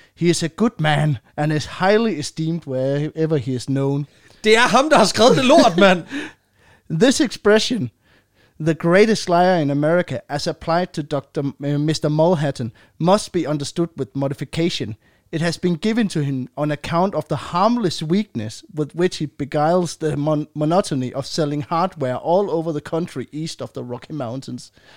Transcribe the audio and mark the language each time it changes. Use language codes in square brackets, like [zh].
[en] He is a good man and is highly esteemed wherever he is known. [da] Det er ham, der har skrevet det lort, mand. [en] This expression... The greatest liar in America, as applied to Dr. Mr. Mulhattan, must be understood with modification. It has been given to him on account of the harmless weakness with which he beguiles the monotony of selling hardware all over the country east of the Rocky Mountains.